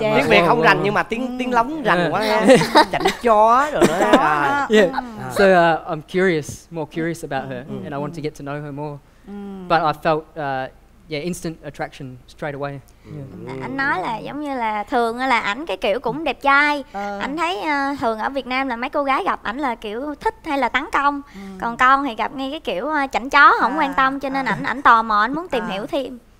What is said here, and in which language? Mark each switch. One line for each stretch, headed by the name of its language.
Vietnamese: Mà tiếng Việt không rành nhưng mà tiếng lóng rành quá ha. Chảnh chó rồi đó.
English: So I'm curious about her and I want to get to know her more. But I felt Yeah, instant attraction straight away. Yeah.
Vietnamese: Anh nói là giống như là thường là ảnh cái kiểu cũng đẹp trai. Anh thấy thường ở Việt Nam là mấy cô gái gặp ảnh là kiểu thích hay là tấn công. Còn con thì gặp ngay cái kiểu chảnh chó không quan tâm, cho nên ảnh tò mò, ảnh muốn tìm hiểu thêm.